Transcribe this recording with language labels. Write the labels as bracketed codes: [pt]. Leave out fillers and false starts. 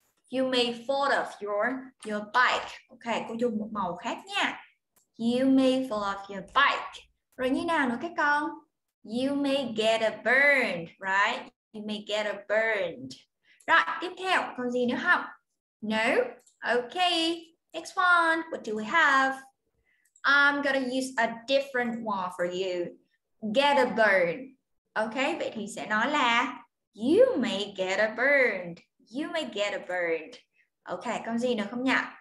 [en] You may fall off your bike. Okay, [vi] cô dùng một màu khác nha. [en] You may fall off your bike. [vi] Rồi như nào nữa các con? [en] You may get a burned, right? You may get a burned. [vi] Rồi, tiếp theo, còn gì nữa không? [en] No? Okay, next one. What do we have? I'm gonna use a different one for you. Get a burn. [vi] Okay, vậy thì sẽ nói là [en] you may get a burned. You may get a burned. Okay, [vi] còn gì nữa không nhỉ?